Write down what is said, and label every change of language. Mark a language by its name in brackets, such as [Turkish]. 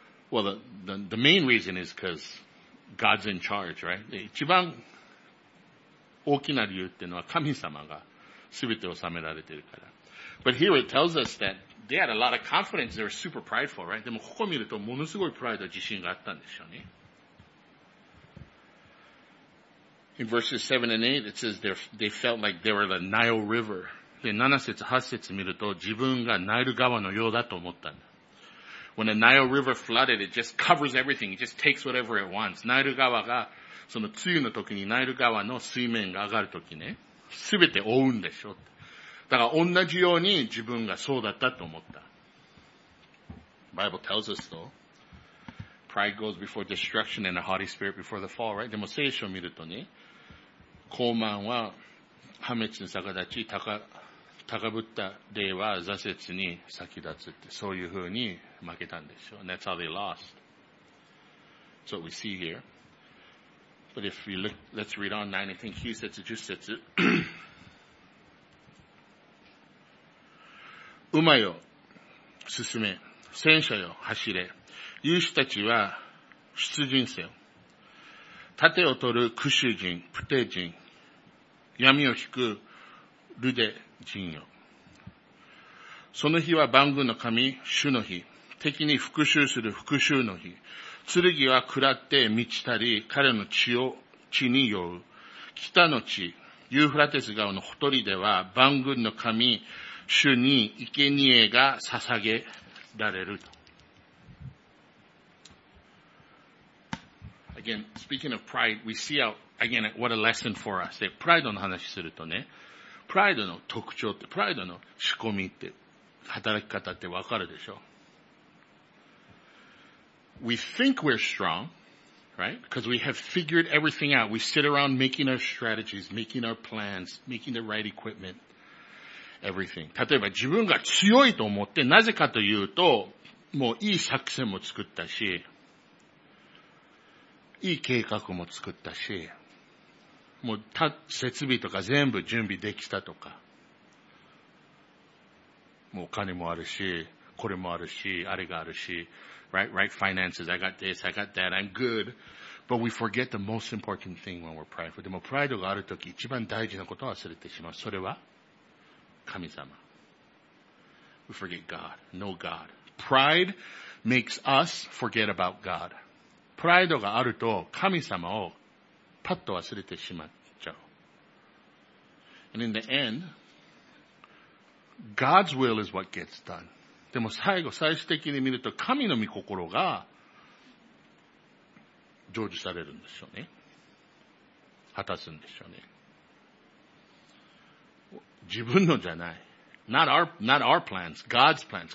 [English] Well, the main reason is because God's in charge, right? [Japanese] 一番大きな理由っていうのは神様が全てを治められてるから。 [English] But here it tells us that they had a lot of confidence, they were super prideful, right? [Japanese] でもここ見るとものすごいプライド自信があったんでしょうね。 [English] In verses 7 and 8, it says they felt like they were the Nile River. [Japanese] で、7節、8節見ると、自分がナイル川のようだと思った。 [English] When the Nile River flooded, it just covers everything. It just takes whatever it wants. [Japanese] ナイル川が、その梅雨の時にナイル川の水面が上がる時ね、すべて覆うんでしょ。だから同じように自分がそうだったと思った。 [English] Bible tells us though, pride goes before destruction and a haughty spirit before the fall, right? [Japanese] でも聖書を見るとね、高慢は破滅に逆立ち、高ぶった霊は挫折に先立つって、そういう風に負けたんでしょ。 [English] And that's how they lost. That's what we see here. But if we look, let's read on 9, I think he says it, just says it. [Japanese] 馬よ、進め。戦車よ、走れ。勇士たちは出陣せよ。盾を取る屈襲人、プテ人。闇を引くルデ人よ。その日は万軍の神、主の日。敵に復讐する復讐の日。剣は喰らって満ちたり、彼の血を、血に酔う。北の地、ユーフラテス川のほとりでは、万軍の神、主に生贄が捧げ、 [English] Again, speaking of pride, we see how, again, what a lesson for us. [Japanese] で、プライドの話するとね、プライドの特徴って、プライドの仕込みって、働き方ってわかるでしょ。 [English] We think we're strong, right? Because we have figured everything out. We sit around making our strategies, making our plans, making the right equipment. Everything. [Japanese] 例えば自分が強いと思って、なぜかというと、もういい作戦も作ったし、いい計画も作ったし、もう設備とか全部準備できたとか、もうお金もあるし、これもあるし、あれがあるし、 [English] right finances, I got this, I got that, I'm good. But we forget the most important thing when we're prideful. [Japanese] でもプライドがあるとき、一番大事なことを忘れてしまう。それは神様。 [English] We forget God. No God. Pride makes us forget about God. [Japanese] プライドがあると神様をパッと忘れてしまっちゃう。 [English] And in the end, God's will is what gets done. [Japanese] でも最後、最終的に見ると神の御心が成就されるんでしょうね。果たすんでしょうね。自分のじゃない。 [English] not our plans, God's plans,